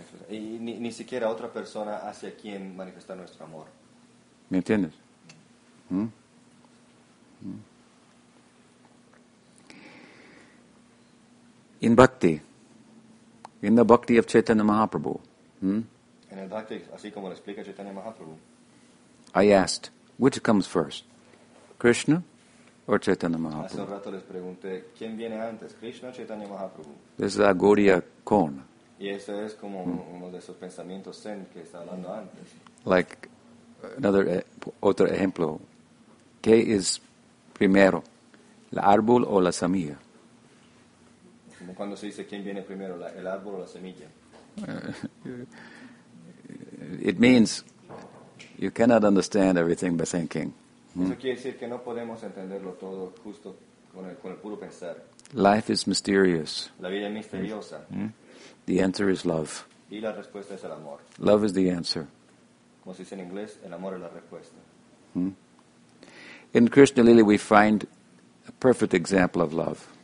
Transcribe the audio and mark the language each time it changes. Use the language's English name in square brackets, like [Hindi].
[Spanish] Y ni siquiera otra persona hacia quien manifestar nuestro amor. ¿Me entiendes? [English] In bhakti, in the bhakti of Chaitanya Mahaprabhu, [Spanish] in el bhakti, así como lo explica Chaitanya Mahaprabhu, [English] I asked, which comes first, Krishna or Chaitanya Mahaprabhu? [Spanish] Hace un rato les pregunté, ¿quién viene antes, Krishna o Chaitanya Mahaprabhu? [English] This is a Gaudiya Kona. [Spanish] Y eso es como uno de esos pensamientos zen que está hablando antes. [English] Like another [Spanish] otro ejemplo, ¿qué es primero, el árbol o la semilla? Como cuando se dice quién viene primero, el árbol o la semilla. [English] It means you cannot understand everything by thinking. [Spanish] Eso quiere decir que no podemos entenderlo todo justo con el puro pensar. [English] Life is mysterious. [Spanish] La vida es misteriosa. [English] The answer is love. [Spanish] Y la respuesta es el amor. [English] Love is the answer. [Spanish] Como se dice en inglés, el amor es la respuesta. [English] In Krishna Lila we find a perfect example of love.